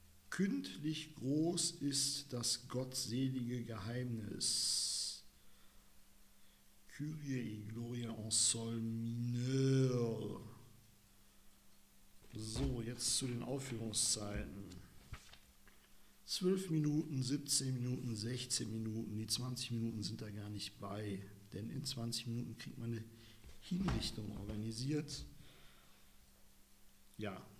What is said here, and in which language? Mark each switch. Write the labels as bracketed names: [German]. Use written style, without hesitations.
[German] Kündlich groß ist das gottselige Geheimnis. [French] Kyrie et Gloria en sol mineur. [German] So, jetzt zu den Aufführungszeiten. 12 Minuten, 17 Minuten, 16 Minuten. Die 20 Minuten sind da gar nicht bei. Denn in 20 Minuten kriegt man eine Hinrichtung organisiert. Ja.